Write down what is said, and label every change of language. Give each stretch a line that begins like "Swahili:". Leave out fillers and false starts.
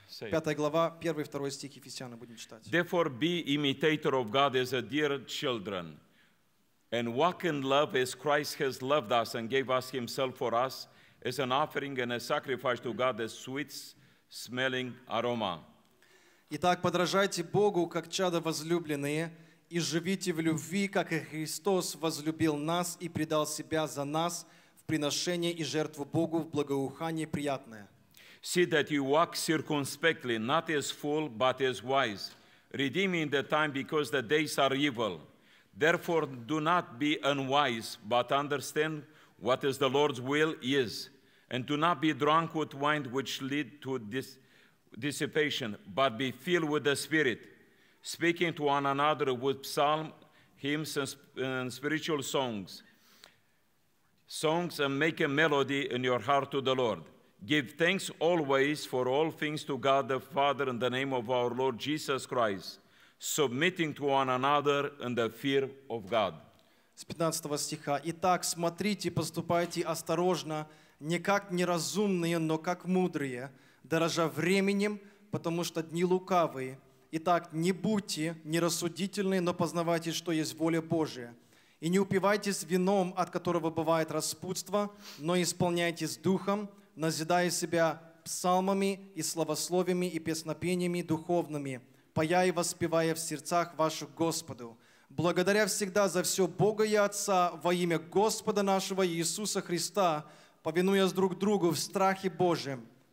Russian: Пятая глава, первый и второй стих Ефесяна будем читать.
English: Therefore be imitator of God as a dear children, and walk in love as Christ has loved us and gave us Himself for us as an offering and a sacrifice to God as sweet smelling aroma.
Russian: Итак, подражайте Богу, как чада возлюбленные, и живите в любви, как и Христос возлюбил нас и предал Себя за нас в приношение и жертву Богу в благоухание приятное.
English: See that you walk circumspectly, not as fool, but as wise, redeeming the time because the days are evil. Therefore, do not be unwise, but understand what is the Lord's will is. And do not be drunk with wine, which lead to dissipation, but be filled with the Spirit, speaking to one another with psalms, hymns, and spiritual songs, and make a melody in your heart to the Lord. Give thanks always for all things to God the Father in the name of our Lord Jesus Christ, submitting to one another in the fear of God.
Russian: С 15 стиха. Итак, смотрите, поступайте осторожно, не как неразумные, но как мудрые, дорожа временем, потому что дни лукавые. Итак, не будьте нерассудительны, но познавайте, что есть воля Божия. И не упивайтесь вином, от которого бывает распутство, но исполняйтесь духом, назидая себя псалмами и славословиями и песнопениями духовными, поя и воспевая в сердцах ваших Господу, благодаря всегда за все Бога и Отца во имя Господа нашего Иисуса Христа, повинуясь друг другу в страхе Божьем.